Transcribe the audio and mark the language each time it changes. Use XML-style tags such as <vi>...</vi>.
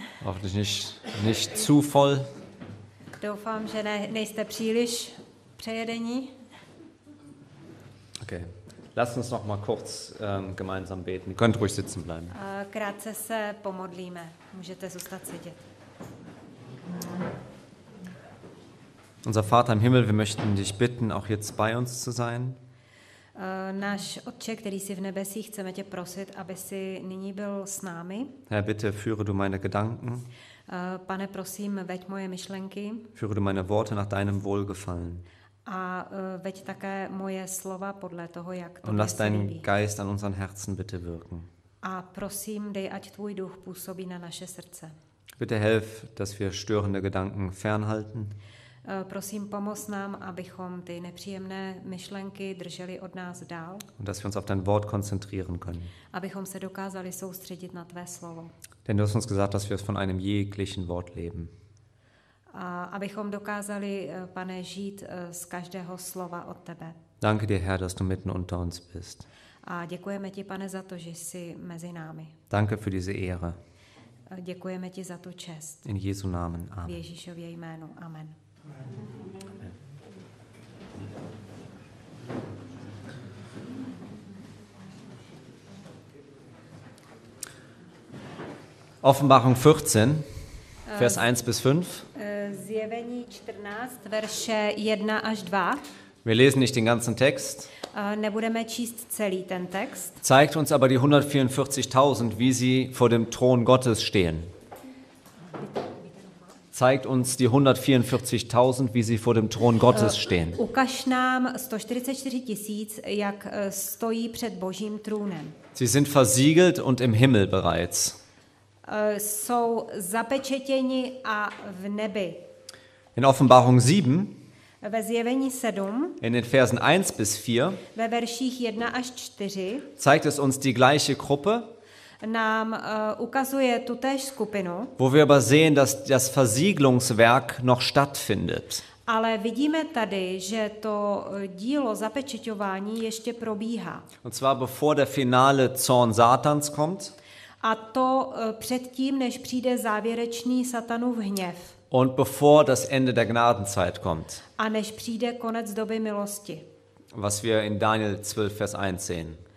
<de>Hoffentlich nicht zu voll.</de> <cs>Doufám, že nejste příliš přejedení. Okay.</cs> <de>Lasst uns noch mal kurz gemeinsam beten. Ihr könnt ruhig sitzen bleiben.</de> <cs>Krátce se pomodlíme. Můžete zůstat sedět.</cs> <de>Unser Vater im Himmel, wir möchten dich bitten, auch jetzt bei uns zu sein.</de> <cs>Náš Otče, který jsi v nebesích, chceme tě prosit, aby jsi nyní byl s námi.</cs> <de>Herr, bitte führe du meine Gedanken.</de> <cs>Pane, prosím, veď moje myšlenky.</cs> <de>Führe du meine Worte nach deinem Wohlgefallen.</de> <cs>A veď také moje slova podle toho, jak to</cs> <de>Und lass deinen Geist an unseren Herzen bitte wirken.</de> <cs>A prosím, dej, ať tvůj duch působí na naše srdce.</cs> <de>Bitte helf, dass wir störende Gedanken fernhalten.</de> <cs>Prosím, pomoz nám, abychom ty nepříjemné myšlenky drželi od nás dál.</cs> <de>Und dass wir uns auf dein Wort konzentrieren können.</de> <cs>Abychom se dokázali soustředit na tvé slovo.</cs> <de>Denn du hast uns gesagt, dass wir von einem jeglichen Wort leben.</de> <cs>A abychom dokázali, Pane, žít z každého slova od tebe.</cs> <de>Danke dir, Herr, dass du mitten unter uns bist.</de> <cs>A děkujeme ti, Pane, za to, že jsi mezi námi.</cs> <de>Danke für diese Ehre.</de> <cs>Děkujeme ti za tu čest.</cs> <de>In Jesu Namen. Amen.</de> <cs>V Ježíšově jménu. Amen.</cs> <de>Offenbarung 14, Vers 1 bis 5.</de> <cs>Zjevení 14, verše 1 až 2.</cs> <de>Wir lesen nicht den ganzen Text.</de> <cs>Nebudeme číst celý ten text.</cs> <de>Zeigt uns aber die 144.000, wie sie vor dem Thron Gottes stehen. Zeigt uns die 144.000, wie sie vor dem Thron Gottes stehen.</de> <cs>Ukaž nám 144.000, jak stojí před Božím trůnem.</cs> <de>Sie sind versiegelt und im Himmel bereits.</de> <cs>Jsou zapečetěni a v nebi.</cs> <de>In Offenbarung 7,</de> <cs>ve zjevení 7,</cs> <de>in den Versen 1 bis 4,</de> <cs>ve verších 1 až 4,</cs> <de>zeigt es uns die gleiche Gruppe,</de> <cs>nám ukazuje tu též skupinu,</cs> <de>wo wir aber sehen, dass das Versiegelungswerk noch stattfindet.</de> <cs>Ale vidíme tady, že to dílo zapečeťování ještě probíhá.</cs> <de>Und zwar bevor der finale Zorn Satans kommt.</de> <cs>A to předtím, než přijde závěrečný Satanův hněv.</cs> <de>Und bevor das Ende der Gnadenzeit kommt.</de> <cs>A než přijde konec doby milosti.</cs> <de>Was wir in Daniel 12, Vers 1 sehen.</de>